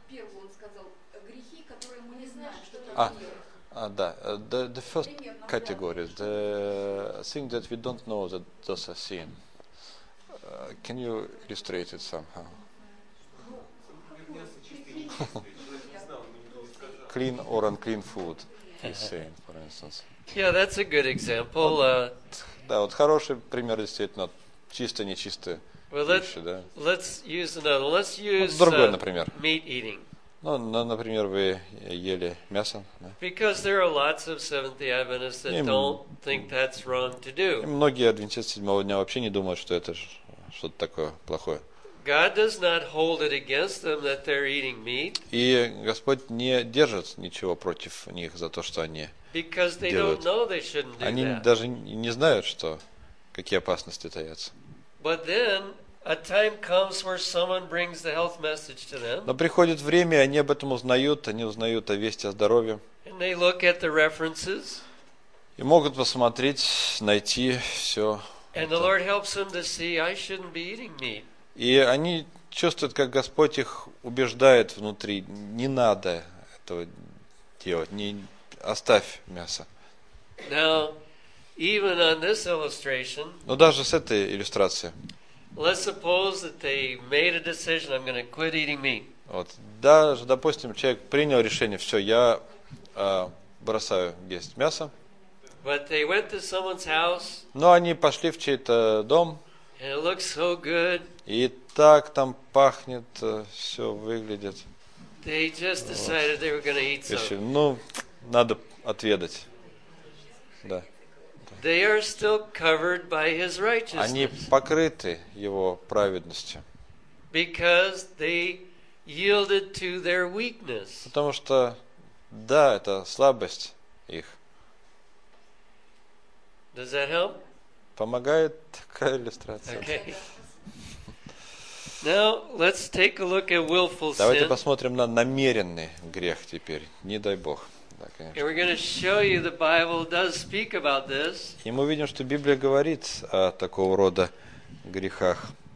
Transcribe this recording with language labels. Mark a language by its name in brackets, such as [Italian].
[Russian] Первое, он сказал, грехи, которые мы не знаем, что там делать. [English] Да, the first category, the thing that we don't know that those are sin. Can you illustrate it somehow? Clean or unclean food is sin, for instance. Yeah, that's a good example. [Russian] Да, вот хороший пример, действительно, чисто-нечистое. [English] Well, [Russian] пища, да? [English] Let's use another. Let's use [Russian] другой, [English] meat eating. [Russian] Ну, например, вы ели мясо. Да? [English] Because there are lots of Seventh-day Adventists that don't think that's wrong to do. [Russian] Многие адвентисты седьмого дня вообще не думают, что это что-то такое плохое. [English] God does not hold it against them that they're eating meat. [Russian] И Господь не держит ничего против них за то, что они делают. [English] Because they don't know they shouldn't do that. [Russian] Они даже не знают, что какие опасности таятся. [English] But then a time comes where someone brings the health message to them. [Russian] Но приходит время, они об этом узнают, они узнают о вести о здоровье. [English] And they look at the references. [Russian] И могут посмотреть, найти все. [English] And the Lord helps them to see I shouldn't be eating meat. [Russian] И они чувствуют, как Господь их убеждает внутри: не надо этого делать, не оставь мясо. [English] Now, even on this illustration. [Russian] Но даже с этой иллюстрации. [English] Let's suppose that they made a decision. I'm going to quit eating meat. [Russian] Вот, даже, допустим, человек принял решение: все, я бросаю есть мясо. [English] But they went to someone's house. [Russian] Но они пошли в чей-то дом. [English] And it looks so good. [Russian] И так там пахнет, все выглядит. [English] They just decided they were going to eat something. [Russian] Ну, надо отведать. Да. [English] They are still covered by his righteousness. [Russian] Они покрыты его праведностью. [English] Because they yielded to their weakness. [Russian] Потому что, да, это слабость их. [English] Does that help? [Russian] Помогает такая иллюстрация. [English] Okay. Now let's take a look at willful sin. [Russian] Давайте посмотрим на намеренный грех теперь. Не дай Бог. [English] And we're going to show you the Bible does speak about this. [Russian] И мы видим, что Библия говорит о такого рода грехах.